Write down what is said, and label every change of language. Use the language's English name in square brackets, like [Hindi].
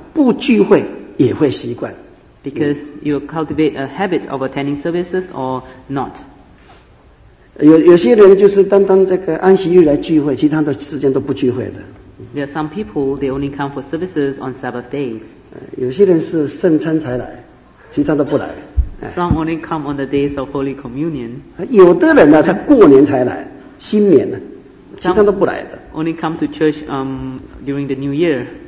[Chinese] 因为这个聚会会习惯，不聚会也会习惯。 [English] Because you cultivate a habit of attending services or not. [Chinese] 有些人就是单单这个安息日来聚会，其他的时间都不聚会的。 [English] There are some people, they only come for services on Sabbath days. [Chinese] 有些人是圣餐才来，其他的不来。 [English] Some only come on the days of Holy Communion. [Chinese] 有的人他过年才来，新年呢。其他都不来的。 [English] Only come to church during the New Year.